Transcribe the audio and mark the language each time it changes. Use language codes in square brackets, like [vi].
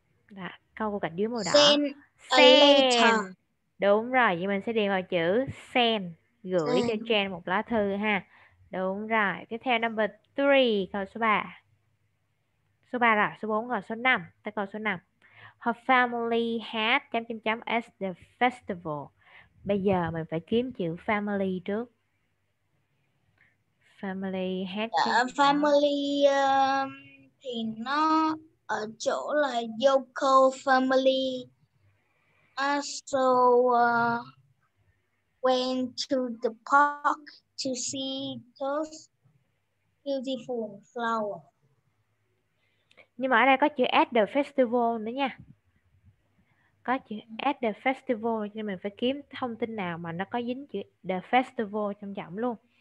[vi] Đó, câu cô gạch dưới màu đỏ. [en] Send a Send. [vi] Đúng rồi, vậy mình sẽ điền vào chữ send, gửi cho [en] letter. [vi] Jen một lá thư ha. Đúng rồi, tiếp theo number 3, câu số 3. Số 3 rồi, số 4 rồi, số 5, tới câu số 5. [en] Her family had [vi] chấm chấm chấm [en] as the festival. [vi] Bây giờ mình phải kiếm chữ family trước. Family hát cái gì đó. Family thì nó ở chỗ là [en] Yoko family also went to the park to see those beautiful flowers. [vi] Nhưng mà ở đây có chữ at the festival nữa nha. Có chữ at the festival nên mình phải kiếm thông tin nào mà nó có dính chữ the festival trong giọng luôn.